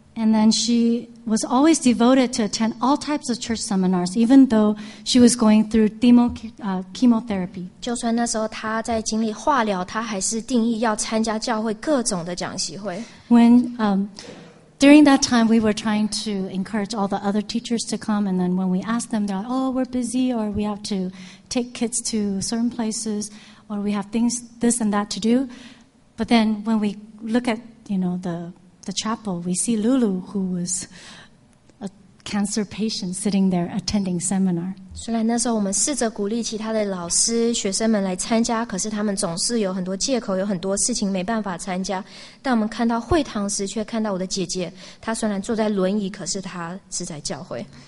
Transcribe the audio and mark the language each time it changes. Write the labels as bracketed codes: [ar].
[en] And then she was always devoted to attend all types of church seminars, even though she was going through chemotherapy. [zh] 就算那时候她在经历化疗，她还是定义要参加教会各种的讲习会。 [en] When during that time, we were trying to encourage all the other teachers to come, and then when we asked them, they're like, "Oh, we're busy, or we have to take kids to certain places." Or we have things, this and that to do. But then when we look at, you know, the chapel, we see Lulu, who was a cancer patient, sitting there attending seminar. [zh] 虽然那时候我们试着鼓励其他的老师、学生们来参加，可是他们总是有很多借口，有很多事情没办法参加。但我们看到会堂时，却看到我的姐姐，她虽然坐在轮椅，可是她是在教会。